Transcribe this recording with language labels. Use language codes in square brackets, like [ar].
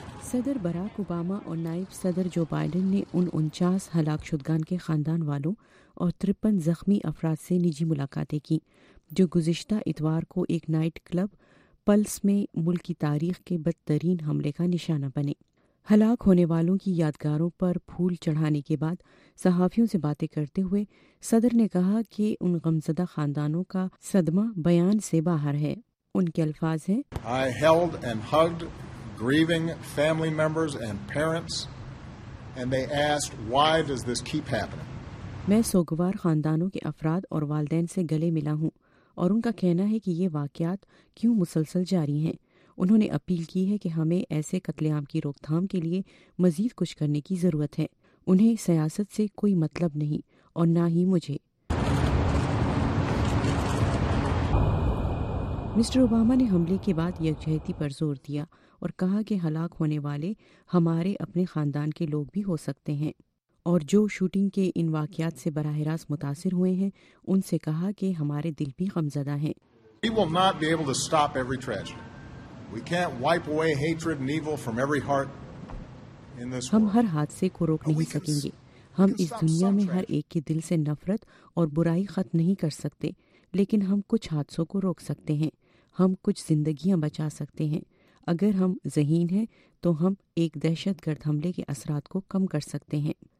[ur] صدر Barack Obama اور نائب صدر جو بائیڈن نے ان 49 ہلاک شدگان کے خاندان والوں اور 53 زخمی افراد سے نجی ملاقاتیں کی جو گزشتہ اتوار کو ایک نائٹ کلب پلس میں ملکی تاریخ کے بدترین حملے کا نشانہ بنے۔ ہلاک ہونے والوں کی یادگاروں پر پھول چڑھانے کے بعد صحافیوں سے باتیں کرتے ہوئے صدر نے کہا کہ ان غمزدہ خاندانوں کا صدمہ بیان سے باہر ہے۔ ان کے الفاظ ہیں، [en] I held and hugged grieving family members and parents and they asked why does this keep happening۔ [ur] میں سوگوار خاندانوں کے افراد اور والدین سے گلے ملا ہوں اور ان کا کہنا ہے کہ یہ واقعات کیوں مسلسل جاری ہیں۔ انہوں نے اپیل کی ہے کہ ہمیں ایسے قتل عام کی روک تھام کے لیے مزید کچھ کرنے کی ضرورت ہے۔ انہیں سیاست سے کوئی مطلب نہیں اور نہ ہی مجھے. مسٹر اوباما نے حملے کے بعد یکجہتی پر زور دیا اور کہا کہ ہلاک ہونے والے ہمارے اپنے خاندان کے لوگ بھی ہو سکتے ہیں, اور جو شوٹنگ کے ان واقعات سے براہ راست متاثر ہوئے ہیں ان سے کہا کہ ہمارے دل بھی غمزدہ ہیں. [en] We will not be able to stop every tragedy. We can't wipe away hatred and evil from every heart in this world. [ur] ہم ہر حادثے کو روک نہیں سکیں گے. ہم اس دنیا میں ہر ایک کے دل سے نفرت اور برائی ختم نہیں کر سکتے, لیکن ہم کچھ حادثوں کو روک سکتے ہیں. ہم کچھ زندگیاں بچا سکتے ہیں. اگر ہم ذہین ہیں تو ہم ایک دہشت گرد حملے کے اثرات کو کم کر سکتے ہیں.